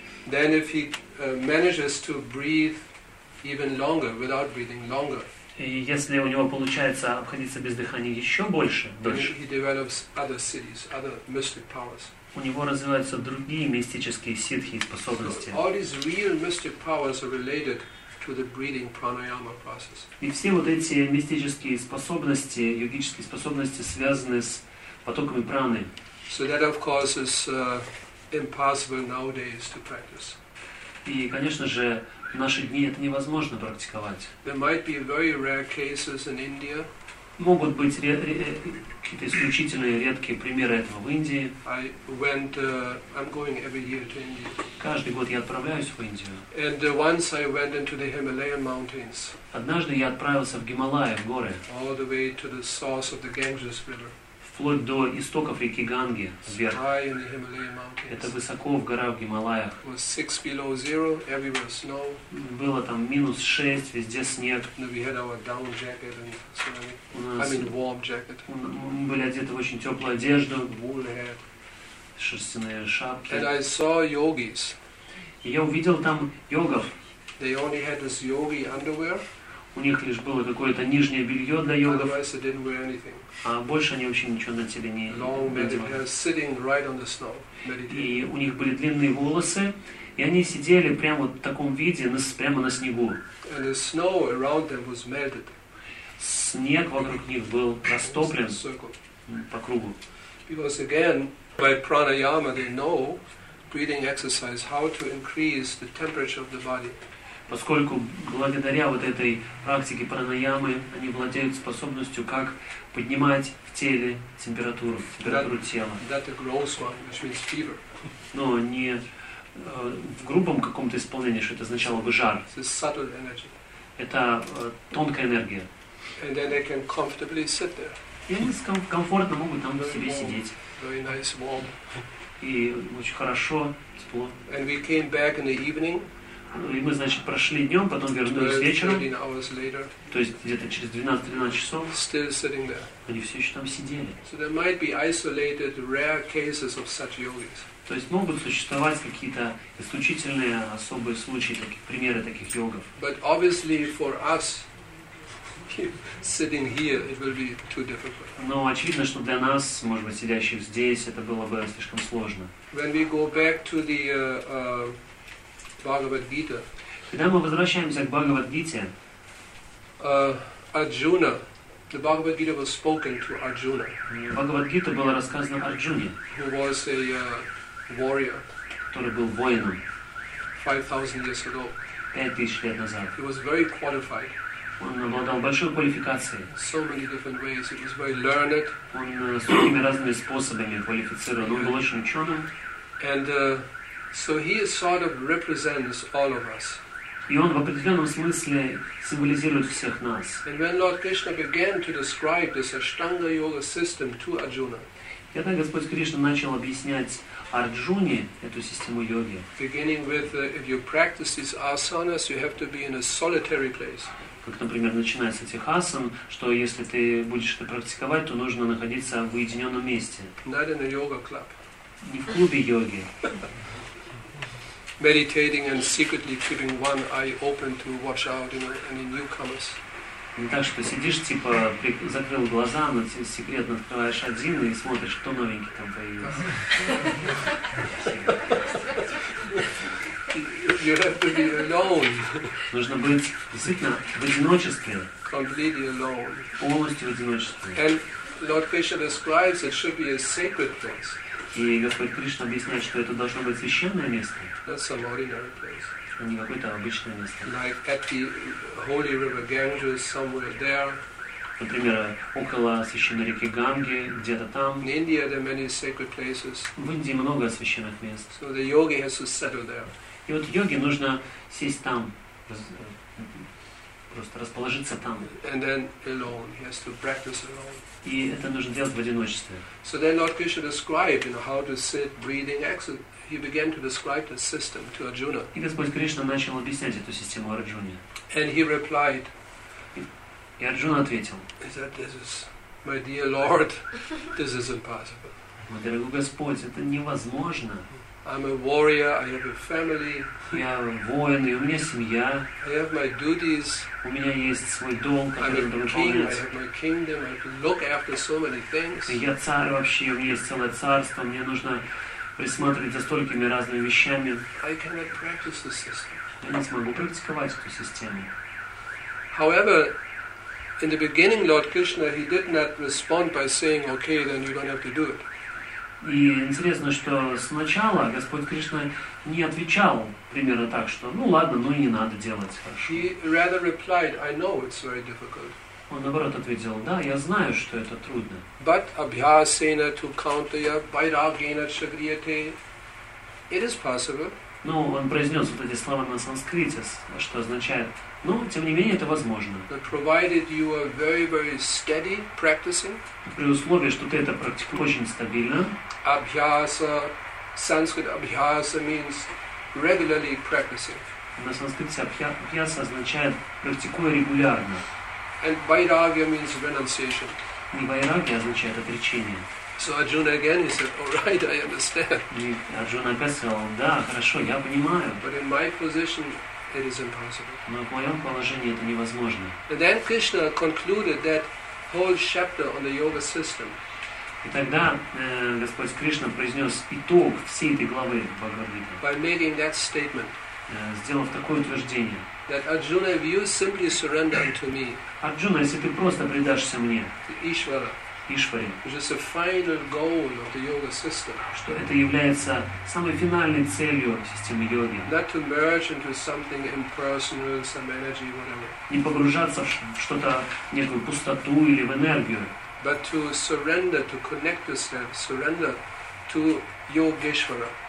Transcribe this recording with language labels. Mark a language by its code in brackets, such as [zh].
[en] Then if he manages to breathe even longer, without breathing longer. [ru] И если у него получается обходиться без дыхания еще больше, дольше. [en] He develops other siddhis, other mystic powers. [ru] У него развиваются другие мистические ситхи и способности. [en] All these real mystic powers are related to the breathing pranayama process. [ru] И все вот эти мистические способности, йогические способности, связаны с потоками праны. [en] So that of course is impossible nowadays to practice. [ru] И, конечно же, в наши дни это невозможно практиковать. [en] There might be very rare cases in India. [ru] Могут быть какие-то исключительные редкие примеры этого в Индии. [en] I'm going every year to India. [ru] Каждый год я отправляюсь в Индию. [en] And once I went into the Himalayan mountains. [ru] Однажды я отправился в Гималаи, в горы. [en] All the way to the source of the Ganges River. [ru] Вплоть до истоков реки Ганги, вверх. [en] High in the Himalayan mountains. [ru] Это высоко в горах, в Гималаях. [en] It was 6 below 0, everywhere snow. [ru] Было там -6, везде снег. [en] And we had our down jacket and warm jacket. [ru] Мы были одеты в очень теплую одежду. [en] Wool hat. [ru] Шерстяные шапки. [en] And I saw yogis. [ru] И я увидел там йогов. [en] They only had this yogi underwear. [ru] У них лишь было какое-то нижнее белье для йогов. А больше они вообще ничего на теле не надевали. [en] Right. [ru] И у них были длинные волосы. И они сидели прямо вот в таком виде, прямо на снегу. [en] And the snow around them was melted. [ru] Снег вокруг них был растоплен по кругу. [en] Because again, by pranayama, they know breathing exercise how to increase the temperature of the body. [ru] Поскольку благодаря вот этой практике пранаямы они владеют способностью как поднимать в теле температуру, температуру тела. [en] That's a gross one, which means fever. [ru] Но не в грубом каком-то исполнении, что это означало бы жар. [en] It's a subtle energy. [ru] Это тонкая энергия. [en] And then they can comfortably sit there. [ru] И они комфортно могут там [en] very [ru] себе warm, сидеть. [en] Very nice warm. [ru] И очень хорошо, тепло. [en] And we came back in the evening. [ru] И мы, значит, прошли днем, потом вернулись вечером, то есть где-то через 12-13 часов, [en] still sitting there. [ru] Они все еще там сидели. [en] So there might be isolated, rare cases of such yogis. [ru] То есть могут существовать какие-то исключительные особые случаи, такие, примеры таких йогов. [en] But obviously for us, sitting here, it will be too difficult. [ru] Но очевидно, что для нас, может быть, сидящих здесь, это было бы слишком сложно. [en] When we go back to the, [ru] когда мы возвращаемся к Бхагавад-гите, [en] Арджуна, the Bhagavad-gita was spoken to Arjuna. [ru] Бхагавад-гита была рассказана Арджуне, [en] who was a warrior, [ru] который был воином, [en] 5000 years ago. [ru] 5000 лет назад. [en] He was very qualified. [ru] Он обладал большой квалификацией. [en] So many different ways. He was very learned. [ru] Он с многими разными способами квалифицирован. Он был очень ученым. [en] And so he is sort of represents all of us. [ru] И он в определенном смысле символизирует всех нас. [en] And when Lord Krishna began to describe this Ashtanga Yoga system to Arjuna, [ru] когда Господь Кришна начал объяснять Арджуне эту систему йоги, [en] beginning with if you practice these asanas, you have to be in a solitary place. [ru] Как, например, начинается этих асан, что если ты будешь это практиковать, то нужно находиться в уединенном месте. [en] Not in a yoga club. [ru] Не в клубе йоги. [en] Meditating and secretly keeping one eye open to watch out, you know, any newcomers. [ru] Так что сидишь типа закрыл глаза, но секретно открываешь один и смотришь, кто новенький там появился. [en] You have to be alone. [ru] Нужно быть действительно в одиночестве. [en] Completely alone. [ru] Полностью в одиночестве. [en] And Lord Krishna describes it should be a sacred place. [ru] И Господь Кришна объясняет, что это должно быть священное место. [en] That's an ordinary place. [ru] А не какое-то обычное место. [en] Like at the holy river Ganges, somewhere there. [ru] Например, около священной реки Ганги, где-то там. [en] In India there are many sacred places. [ru] В Индии много священных мест. [en] So the yogi has to settle there. [ru] И вот йоге нужно сесть там, просто расположиться там. [en] And then alone, he has to practice alone. [ru] И это нужно делать в одиночестве. [en] So then Lord Krishna described, you know, how to sit, breathing, exit. He began to describe the system to Arjuna. [ru] И Господь Кришна начал объяснять эту систему Арджуне. [en] And he replied. [ru] И Арджуна ответил. [en] He said, "This is, my dear Lord, this is impossible." [ru] Мой дорогой Господь, это невозможно. [en] I'm a warrior. I have a family. [ru] Я воин, и у меня семья. [en] I have my duties. [ru] У меня есть свой долг, который я должен выполнять. [en] I have my kingdom. I have to look after so many things. [ru] Я царь вообще. У меня есть целое царство. Мне нужно присматривать за столькими разными вещами. [en] I cannot practice the system. [ru] Я не смогу практиковать эту систему. [en] However, in the beginning, Lord Krishna, he did not respond by saying, "Okay, then you don't have to do it." [ru] И интересно, что сначала Господь Кришна не отвечал примерно так, что ну ладно, ну и не надо делать хорошо. [en] He rather replied, I know it's very difficult. [ru] Он наоборот ответил, да, я знаю, что это трудно. [en] But [sa] abhyasena tu kauntaya vairagena chagriyate, [en] it is possible. [ru] Ну, он произнес вот эти слова на санскрите, что означает, ну, тем не менее, это возможно. [en] But provided you are very, very steady practicing, [ru] при условии, что ты это практикуешь очень стабильно, [en] abhyasa, Sanskrit abhyasa means regularly practicing. [ru] На санскрите abhyasa означает практикуя регулярно. [en] And vairagya means renunciation. [ru] И vairagya означает отречение. [en] So Arjuna again, he said, "All right, I understand." [ru] Arjuna опять сказал, да, хорошо, я понимаю. [en] But in my position, it is impossible. [ru] Но в моем положении это невозможно. [en] And then Krishna concluded that whole chapter on the yoga system. [ru] И тогда Господь Кришна произнес итог всей этой главы Бхагавад-гиты. [en] By making that statement. [ru] Сделав такое утверждение. [en] That Arjuna, if you simply surrender to me. [ru] Arjuna, если ты просто предашься мне. [en] Ishvara. [ru] Ишвари. [en] Just a final goal of the yoga system. [ru] Что это является самой финальной целью системы йоги. [en] Not to merge into something impersonal, some energy, whatever. [ru] Не погружаться в что-то, некую пустоту или в энергию. [en] But to surrender, to connect yourself, surrender to Yogeshwara.